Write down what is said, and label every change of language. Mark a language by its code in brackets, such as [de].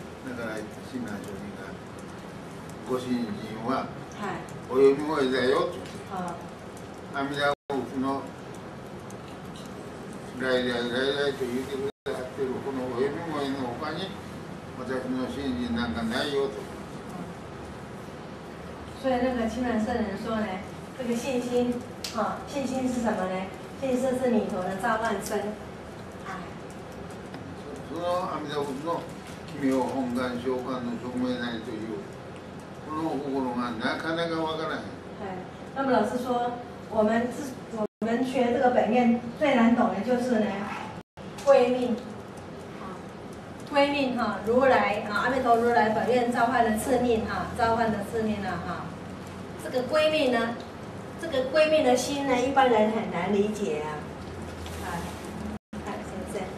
[ja] だから親鸞聖人がご信心はお呼び声だよと、阿弥陀仏の来来来来と言ってくれてるこのお呼び声のほかに私の信心なんかないよと。 [zh] 所以那个清凉圣人说呢，这个信心，哈、哦，信心是什么呢？信心是弥陀的召唤声。 [ja] その阿弥陀仏の奇妙本願召喚の証明なりというこの心がなかなかわからない。はい。 [zh] 那么老师说，我们学这个本愿最难懂的就是呢，归命哈、啊，如来啊，阿弥陀如来本愿召唤的次命哈、啊，召唤的次命了、啊、哈、啊。这个归命呢，这个归命的心呢，一般人很难理解啊。啊，先生。